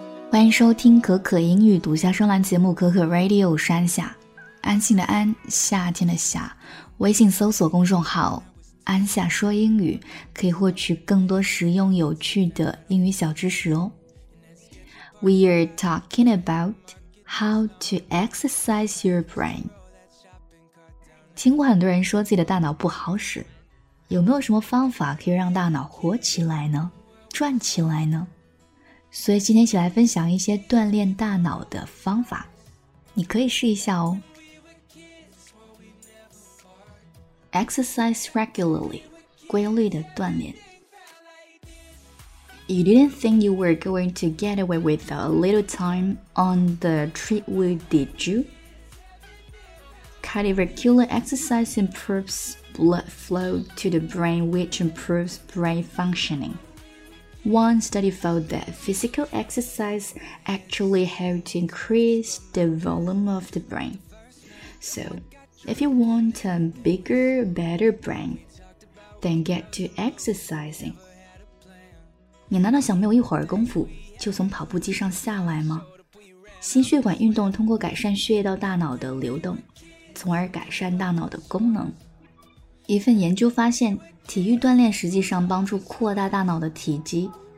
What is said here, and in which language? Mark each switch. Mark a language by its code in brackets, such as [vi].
[zh] 欢迎收听可可英语独家专栏节目可可 Radio 山下，安心的安，夏天的夏。微信搜索公众号安夏说英语，可以获取更多实用有趣的英语小知识哦。 [en] We are talking about how to exercise your brain。 [zh] 听过很多人说自己的大脑不好使，有没有什么方法可以让大脑活起来呢，转起来呢？所以今天一起来分享一些锻炼大脑的方法，你可以试一下哦。 [en] Exercise regularly, [zh] 规律的锻炼。 [en] You didn't think you were going to get away with a little time on the treadmill, did you? Cardiovascular exercise improves blood flow to the brain, which improves brain functioning. One study found that physical exercise actually helped to increase the volume of the brain. So,If you want a bigger, better brain, then get to exercising. [zh] 你难道想没有一会儿功夫就从跑步机上下来吗？心血管运动通过改善血液到大脑的流动，从而改善大脑的功能。一份研究发现，体育锻炼实际上帮助扩大大脑的体积。